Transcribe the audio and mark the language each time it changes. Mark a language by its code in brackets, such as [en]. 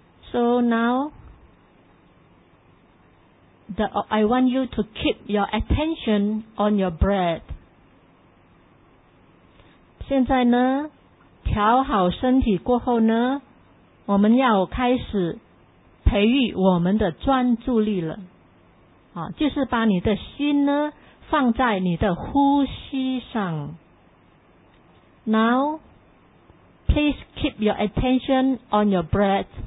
[en] So nowI want you to keep your attention on your breath. [zh] 现在呢，调好身体过后呢，我们要开始培育我们的专注力了。啊，就是把你的心呢放在你的呼吸上。 [en] Now, please keep your attention on your breath.